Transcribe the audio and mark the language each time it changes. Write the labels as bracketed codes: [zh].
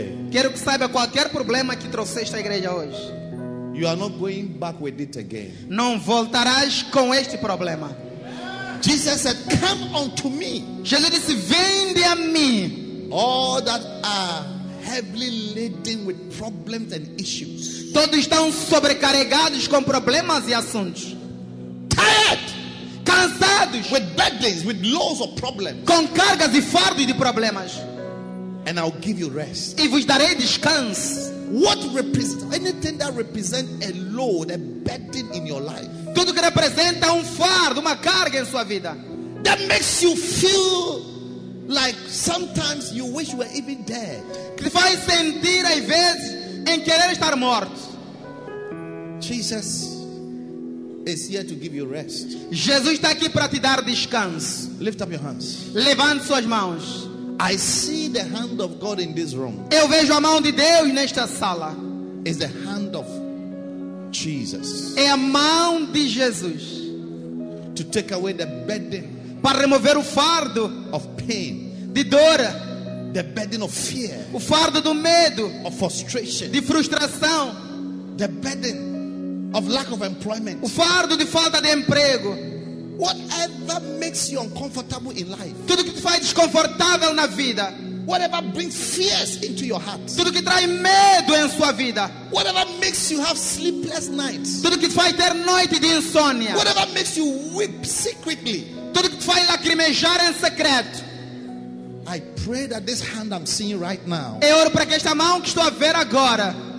[pt] Quero que saiba qualquer problema que trouxeste à igreja hoje. [en] You are not going back with it again. [pt] Não voltarás com este problema. [en] Jesus said, "Come unto me." [pt] Jesus disse, "Vinde a mim." [en] All that are heavily laden with problems and issues. [pt] Todos estão sobrecarregados com problemas e assuntos. [en] tired, [pt] cansados, [en] with burdens, with loads of problems, [pt] com cargas e fardos de problemas. [en] And I'll give you rest. [pt] E vos darei descanso. [en] What represents anything that represents a load, a burden in your life? [pt] Tudo que representa fardo, uma carga em sua vida. [en] That makes you feel like sometimes you wish you were even dead. [pt] Que faz sentir às vezes em querer estar morto. [en] Jesus is here to give you rest. [pt] Jesus está aqui para te dar descanso. [en] Lift up your hands. [pt] Levante suas mãos. [en] I see the hand of God in this room. [pt] Eu vejo a mão de Deus nesta sala. [en] It's the hand of Jesus. [pt] É a mão de Jesus. [en] To take away the burden. [pt] Para remover o fardo. [en] Of pain. [pt] De dor. [en] The burden of fear. [pt] O fardo do medo. [en] Of frustration. [pt] De frustração. [en] The burden of lack of employment. [pt] O fardo de falta de emprego. [en] Whatever makes you uncomfortable in life. [pt] Tudo que te faz desconfortável na vida. [en] Whatever brings fears into your heart. [pt] Tudo que traz medo em sua vida. [en] Whatever makes you have sleepless nights. [pt] Tudo que te faz ter noite de insônia. [en] Whatever makes you weep secretly. [pt] Tudo que te faz lacrimejar em secreto. [en] I pray that this hand I'm seeing right now. [pt] Eu oro para que esta mão que estou a ver agora